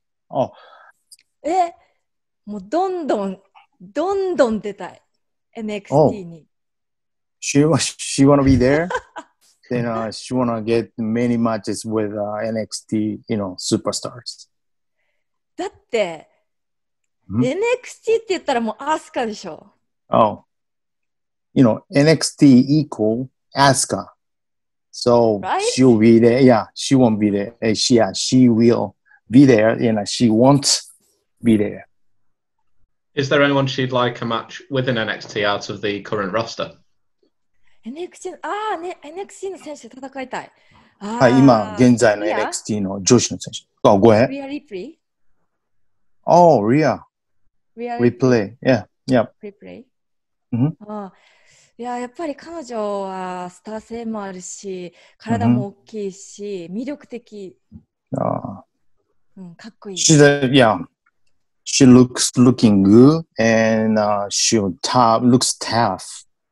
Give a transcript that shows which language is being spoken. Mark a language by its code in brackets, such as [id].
[ja] Oh. もうどんどん出たい NXT に。 [en] She wanna be there? Then she wanna get many matches with NXT, you know, superstars. [ja] だって、NXT って言ったらもうアスカでしょ。 [en] Oh. You know, NXT equal Asuka. So, right? She'll be there. Yeah, she won't be there. She will be there. You know, she won't be there. Is there anyone she'd like a match with in NXT out of the current roster? [ja] NXT の、ああ、ね、NXT の選手と戦いたい。はい、今、現在の NXT の女子の選手。あ、ごめん。リア・リプレイ [en] Oh, Rhea. Rhea Ripley. Yeah, yeah. Ripley. Mm-hmm. [ja] いや、やっぱり彼女はスター性もあるし、体も大きいし、魅力的。ああ。かっこいい。 [en] She's a, yeah. she looks looking good, and she looks tough.